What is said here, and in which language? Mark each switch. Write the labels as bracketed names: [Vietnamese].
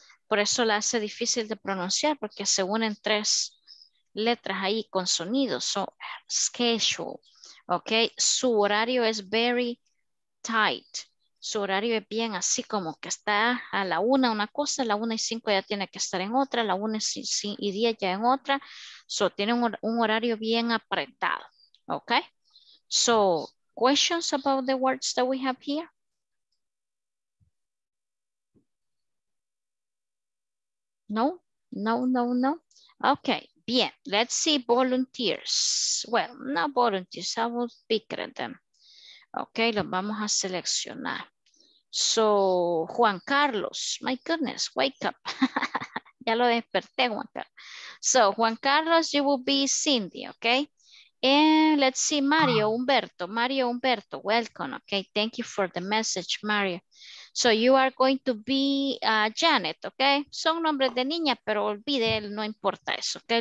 [Spanish] Por eso la hace difícil de pronunciar, porque se unen tres letras ahí con sonidos, so schedule, ok. Su horario es [English] very tight. [Spanish] Su horario es bien así como que está a la una cosa, a la 1:05 ya tiene que estar en otra, a la 1:10 ya en otra. So, tiene un horario bien apretado, ¿ok? [English] So, questions about the words that we have here? No, no, no, no. Okay, bien. Let's see volunteers. Well, not volunteers. I will pick them. Okay, [Spanish] los vamos a seleccionar. [English] So, Juan Carlos. My goodness, wake up. [Spanish] Ya lo desperté, Juan Carlos. [English] So, Juan Carlos, you will be Cindy, okay? And let's see, Mario Humberto. Mario Humberto, welcome, okay? Thank you for the message, Mario. So, you are going to be Janet, okay? [Spanish] Son nombres de niña, pero olvide, no importa eso, okay?